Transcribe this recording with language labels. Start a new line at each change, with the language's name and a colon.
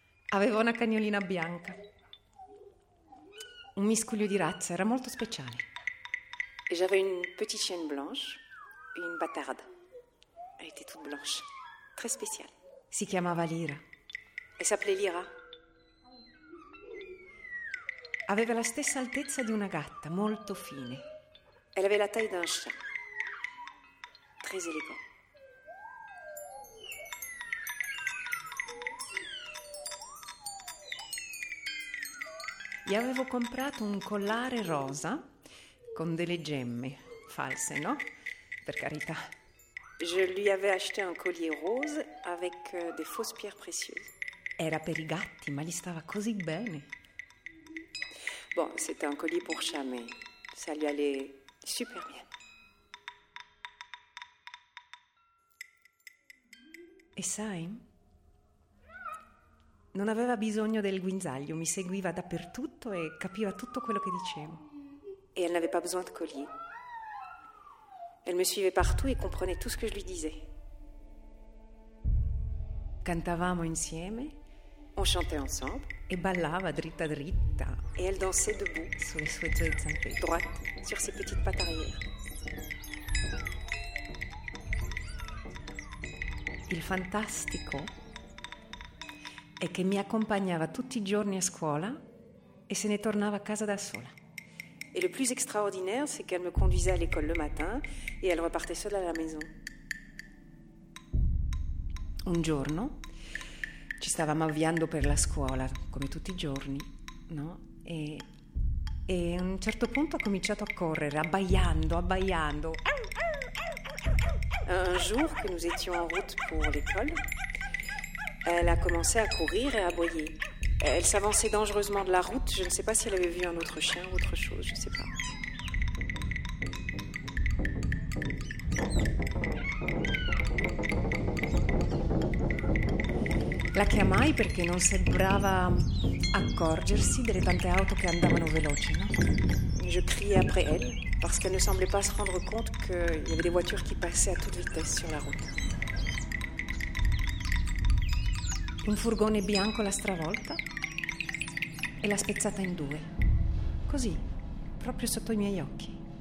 Italian: Aveva una cagnolina bianca. Un miscuglio di razza, era molto speciale.
French: Et j'avais une petite chienne blanche et une bâtarde. Elle était toute blanche, très spéciale.
Italian: Si chiamava Lyra.
French: Elle s'appelait Lyra.
Italian: Aveva la stessa altezza di una gatta, molto fine.
French: Elle avait la taille d'un chat, très élégant.
Italian: Gli avevo comprato un collare rosa con delle gemme false, no? Per carità.
French: Je lui avais acheté un collier rose avec des fausses pierres précieuses.
Italian: Era per i gatti, ma gli stava così bene.
French: Bon, c'était un collier pour chat, mais ça lui allait super bien.
Italian: E sai? Non aveva bisogno del guinzaglio, mi seguiva dappertutto e capiva tutto quello che dicevo.
French: Et elle n'avait pas besoin de collier. Elle me suivait partout et comprenait tout ce que je lui disais.
Italian: Cantavamo insieme.
French: On chantait ensemble.
Italian: E ballava dritta dritta.
French: Et elle dansait debout.
Italian: Sulle sue due zampe.
French: Droite, sur ses petites pattes arrière.
Italian: Il fantastico è che mi accompagnava tutti i giorni a scuola e se ne tornava a casa da sola.
French: Et le plus extraordinaire, c'est qu'elle me conduisait à l'école le matin et elle repartait seule à la maison.
Italian: Un giorno, ci stavamo avviando per la scuola, come tutti i giorni, no? E a un certo punto ho cominciato a correre, abbaiando.
French: Un jour que nous étions en route pour l'école, elle a commencé à courir et à aboyer. Elle s'avançait dangereusement de la route. Je ne sais pas si elle avait vu un autre chien ou autre chose. Je ne sais pas.
Italian: La chiamai perché non sembrava accorgersi delle tante auto che andavano veloci, no?
French: Je criais après elle parce qu'elle ne semblait pas se rendre compte qu'il y avait des voitures qui passaient à toute vitesse sur la route.
Italian: Un furgone bianco l'ha stravolta e l'ha spezzata in due. Così, proprio sotto i miei occhi.